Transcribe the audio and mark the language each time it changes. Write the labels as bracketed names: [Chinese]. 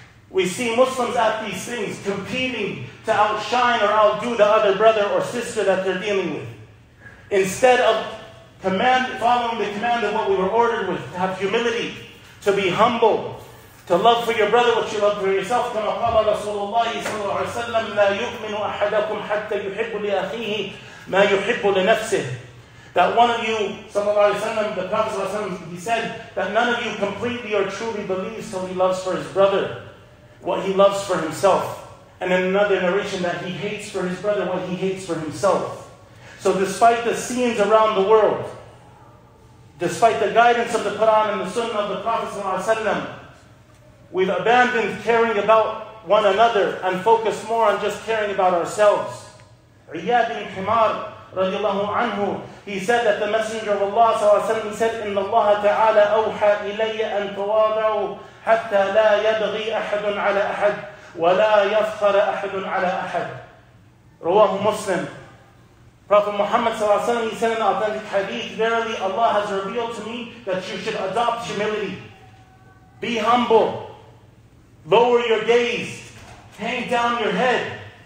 [English] We see Muslims at these things competing to outshine or outdo the other brother or sister that they're dealing with. Instead of following the command of what we were ordered with, to have humility, to be humble, to love for your brother what you love for yourself. [Arabic] كما قال رسول الله صلى الله عليه وسلم لا يؤمن أحدكم حتى يحب لأخيه ما يحب لنفسه. [English] That one of you, صلى الله عليه وسلم, the Prophet صلى الله عليه وسلم, he said that none of you completely or truly believes till he loves for his brother what he loves for himself. And in another narration that he hates for his brother what he hates for himself. So despite the scenes around the world, despite the guidance of the Quran and the Sunnah of the Prophet صلى الله عليه وسلم, we've abandoned caring about one another and focused more on just caring about ourselves. Iyad bin Himar radiallahu anhu, he said that the Messenger of Allah [Arabic] صلى الله عليه وسلم said, إِنَّ اللَّهَ تَعَالَى أَوْحَى إِلَيَّ أَن تَوَاضَعُوا حَتَّى لَا يَبْغِي أَحَدٌ عَلَى أَحَدٍ وَلَا يَفْخَرَ أَحَدٌ عَلَى أَحَدٍ. رواه مسلم. [English] Prophet Muhammad صلى الله عليه وسلم, he said in an authentic hadith, verily Allah has revealed to me that you should adopt humility. Be humble. Lower your gaze. Hang down your head.